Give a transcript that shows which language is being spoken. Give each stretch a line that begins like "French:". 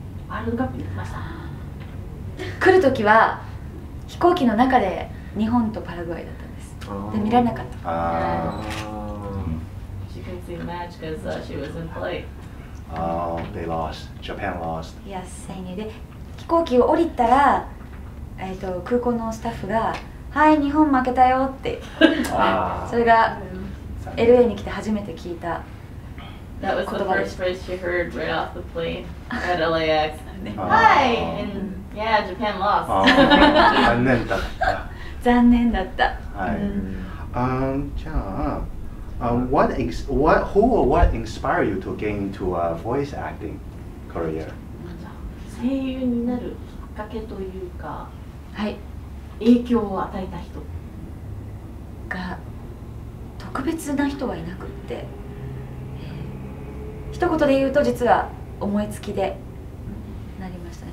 Japanese: ワールドカップ見ました。来るときは飛行機の中で日本とパラグアイだったんです。で、見られなかった。あ、
English: She couldn't see the match because she was in flight. They lost. Japan lost. Yes, same.
Japanese: で、飛行機を降りたら、空港のスタッフが、はい、日本負けたよって。それが LA に来て初めて聞いた言葉です。
English: That was the first phrase she heard right off the plane at LAX. Hi! And yeah, Japan lost.
Japanese: 残念だった。残念だった。はい。
English: じゃあ、who or what inspired you to get into a voice acting career?
Japanese: 声優になるきっかけというか、はい。影響を与えた人が特別な人はいなくって、一言で言うと実は思いつきでなりましたね。